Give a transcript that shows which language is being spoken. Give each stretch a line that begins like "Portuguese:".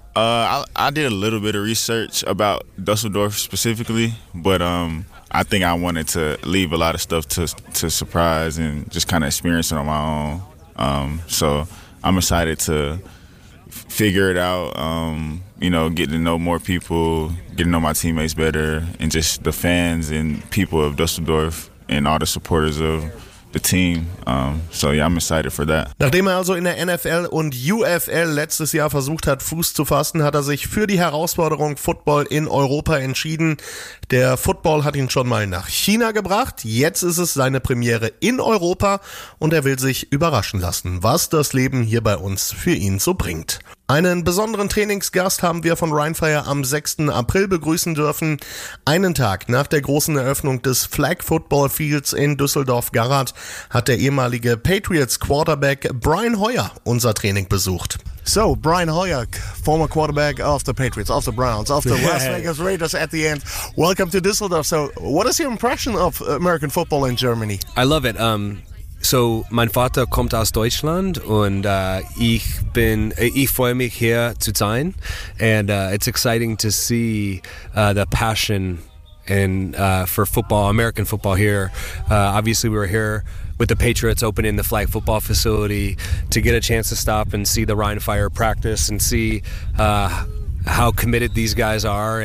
English: I did a little bit of research about Dusseldorf specifically, but I think I wanted to leave a lot of stuff to surprise and just kind of experience it on my own. So I'm excited to figure it out, you know, get to know more people, get to know my teammates better, and just the fans and people of Dusseldorf and all the supporters of the team. So yeah, I'm excited for that.
German: Nachdem er also in der NFL und UFL letztes Jahr versucht hat, Fuß zu fassen, hat er sich für die Herausforderung Football in Europa entschieden. Der Football hat ihn schon mal nach China gebracht. Jetzt ist es seine Premiere in Europa und er will sich überraschen lassen, was das Leben hier bei uns für ihn so bringt. Einen besonderen Trainingsgast haben wir von Rheinfire am 6. April begrüßen dürfen. Einen Tag nach der großen Eröffnung des Flag Football Fields in Düsseldorf-Garrath hat der ehemalige Patriots Quarterback Brian Hoyer unser Training besucht.
English: So, Brian Hoyer, former quarterback of the Patriots, of the Browns, of the Las Vegas Raiders at the end. Welcome to Düsseldorf. So, what is your impression of American football in Germany? I love it.
German: So, mein Vater kommt aus Deutschland und ich freue mich hier zu sein.
English: And it's exciting to see the passion and for football, American football here. Obviously, we were here with the Patriots opening the flag football facility to get a chance to stop and see the Rheinfire practice and see how committed these guys are.